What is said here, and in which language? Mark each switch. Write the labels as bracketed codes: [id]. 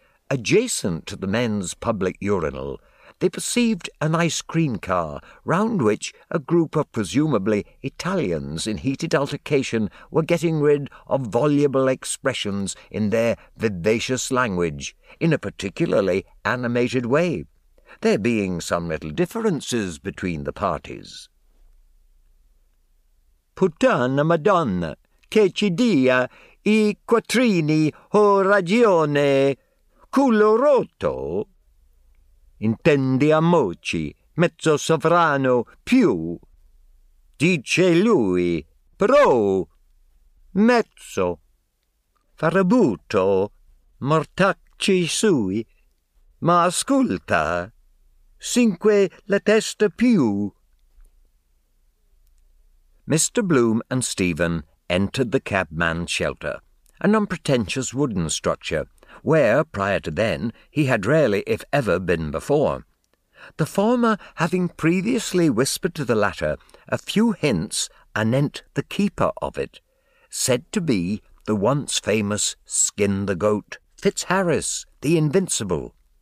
[en] Adjacent to the men's public urinal, they perceived an ice-cream car, round which a group of presumably Italians in heated altercation were getting rid of voluble expressions in their vivacious language, in a particularly animated way, there being some little differences between the parties. [it] Puttana Madonna, che ci dia I quattrini ho ragione, culo rotto. Intendiamoci, mezzo sovrano, più. Dice lui, pro, mezzo. Farabuto, mortacci sui. Ma ascolta, cinque la testa più. [en] Mr. Bloom and Stephen entered the cabman's shelter, an unpretentious wooden structure, where, prior to then, he had rarely, if ever, been before. The former having previously whispered to the latter a few hints anent the keeper of it, said to be the once famous Skin the Goat, Fitzharris, the Invincible.